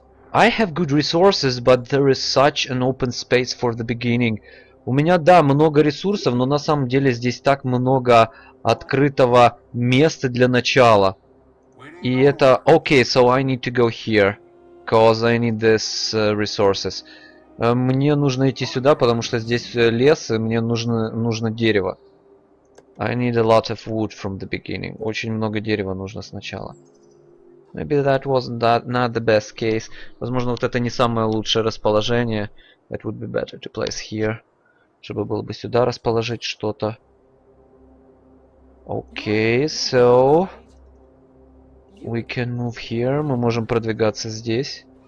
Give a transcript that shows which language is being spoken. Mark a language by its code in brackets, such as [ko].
[en] I have good resources, but there is such an open space for the beginning. [ru] У меня, да, много ресурсов, но на самом деле здесь так много открытого места для начала. И это... [en] Okay, so I need to go here. Because I need these resources. [ru] Мне нужно идти сюда, потому что здесь лес, и мне нужно дерево. [en] I need a lot of wood from the beginning. [ru] Очень много дерева нужно сначала. [en] Maybe that wasn't that, not the best case. [ru] Возможно, вот это не самое лучшее расположение. [en] It would be better to place here. [ru] Чтобы было бы сюда расположить что-то. [en] Okay, so... We can move here. [ru] Мы можем продвигаться здесь.